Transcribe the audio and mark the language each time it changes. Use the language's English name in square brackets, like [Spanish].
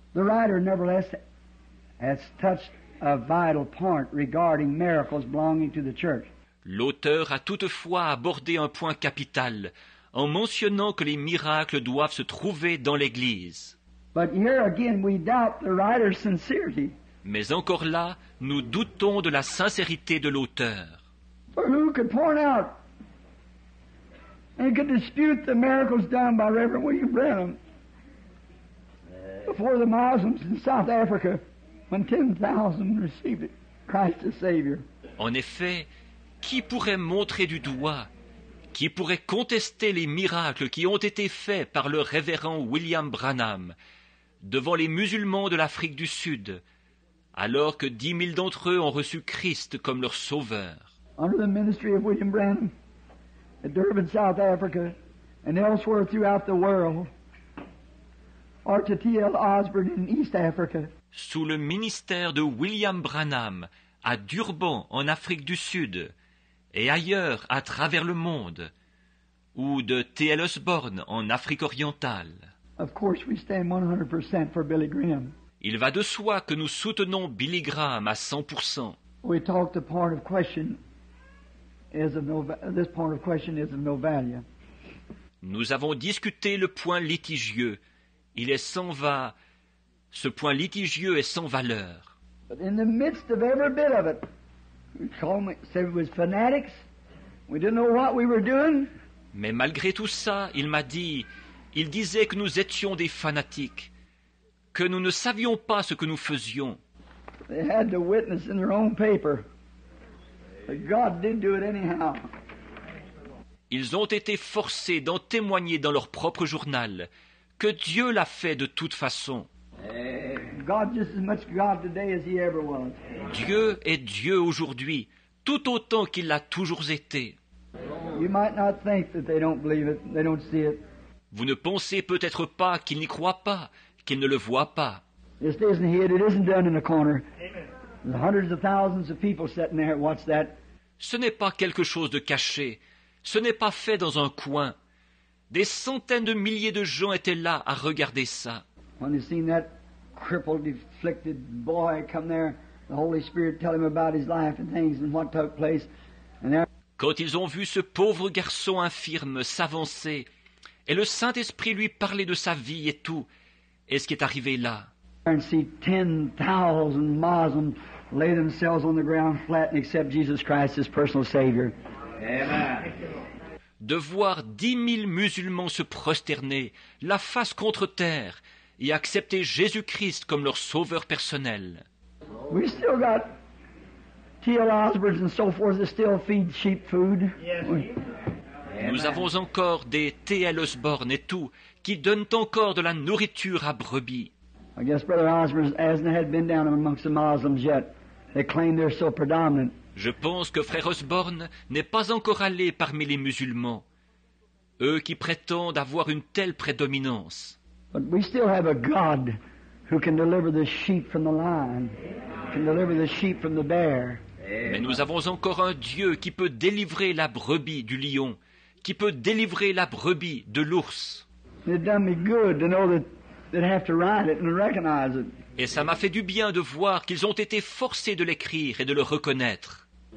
[English] The writer nevertheless has touched a vital point regarding miracles belonging to the church. [French] L'auteur a toutefois abordé un point capital en mentionnant que les miracles doivent se trouver dans l'Église. [English] But here again we doubt the writer's sincerity. [French] Mais encore là, nous doutons de la sincérité de l'auteur. [English] For who could point out and could dispute the miracles done by Reverend William Branham before the Muslims in South Africa when 10,000 received Christ as Savior? [French] En effet, qui pourrait montrer du doigt, qui pourrait contester les miracles qui ont été faits par le révérend William Branham devant les musulmans de l'Afrique du Sud alors que 10 000 d'entre eux ont reçu Christ comme leur sauveur. [English] Under the ministry of William Branham, at Durban, South Africa, and elsewhere throughout the world, or to T.L. Osborne in East Africa. [French] Sous le ministère de William Branham, à Durban, en Afrique du Sud, et ailleurs à travers le monde, ou de T.L. Osborne en Afrique orientale. [English] Of course we stand 100% for Billy Graham. [French] Il va de soi que nous soutenons Billy Graham à 100%. [English] We talked the part of question is of no, this part of question is of no value. [French] Nous avons discuté le point litigieux. Il est sans va. Ce point litigieux est sans valeur. [English] But in the midst of every bit of it, we called me, said it was fanatics. We didn't know what we were doing. [French] Mais malgré tout ça, il m'a dit, il disait que nous étions des fanatiques, que nous ne savions pas ce que nous faisions. [English] They had to witness in their own paper. But God did do it anyhow. [French] Ils ont été forcés d'en témoigner dans leur propre journal que Dieu l'a fait de toute façon. [English] God just as much God today as he ever was. [French] Dieu est Dieu aujourd'hui, tout autant qu'il l'a toujours été. [English] You might not think that they don't believe it, they don't see it. [French] Vous ne pensez peut-être pas qu'ils n'y croient pas, qu'ils ne le voient pas. [English] This isn't hit, it isn't done in a corner. There's hundreds of thousands of people sitting there, watch that. [French] Ce n'est pas quelque chose de caché, ce n'est pas fait dans un coin. Des centaines de milliers de gens étaient là à regarder ça. [English] When they seen that crippled, afflicted boy come there, the Holy Spirit tell him about his life and things and what took place, and there. [French] Quand ils ont vu ce pauvre garçon infirme s'avancer et le Saint-Esprit lui parler de sa vie et tout, et ce qui est arrivé là. [English] And see 10,000 Muslims lay themselves on the ground flat and accept Jesus Christ as personal Savior. Amen. [French] De voir 10 000 musulmans se prosterner, la face contre terre, et accepter Jésus-Christ comme leur sauveur personnel. [English] We still got T.L. Osborne and so forth that still feed sheep food. Yes. Oui. [French] Nous avons encore des T.L. Osborne et tout qui donnent encore de la nourriture à brebis. [English] I guess Brother Osborne hasn't had been down amongst the Muslims yet. They claim they're so predominant. [French] Je pense que Frère Osborne n'est pas encore allé parmi les musulmans, eux qui prétendent avoir une telle prédominance. [English] But we still have a God who can deliver the sheep from the lion, can deliver the sheep from the bear. [French] Mais nous avons encore un Dieu qui peut délivrer la brebis du lion, qui peut délivrer la brebis de l'ours. [English] It done me good to know that they'd have to write it and recognize it. [French] Et ça m'a fait du bien de voir qu'ils ont été forcés de l'écrire et de le reconnaître.